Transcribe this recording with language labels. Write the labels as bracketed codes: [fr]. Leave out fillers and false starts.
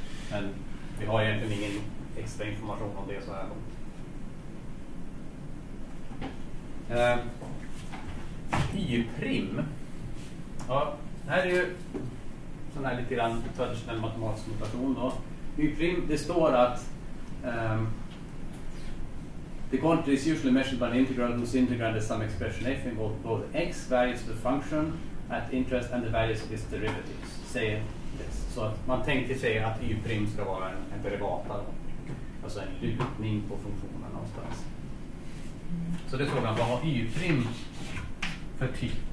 [sv] Men vi har egentligen ingen extra information om det så här långt. Y-prim. Ja, det här är ju sån här lite grann traditionell matematisk notation då. Y-prim, det står att [en] the quantity is usually measured by an integral whose integrand is some expression f involved both x values of the function at interest and the values of its derivatives. Say this. [sv] Så att man tänkte sig att y-prim ska vara en derivata, alltså en lutning på funktionen någonstans. Så det är frågan, vad har y-prim för typ?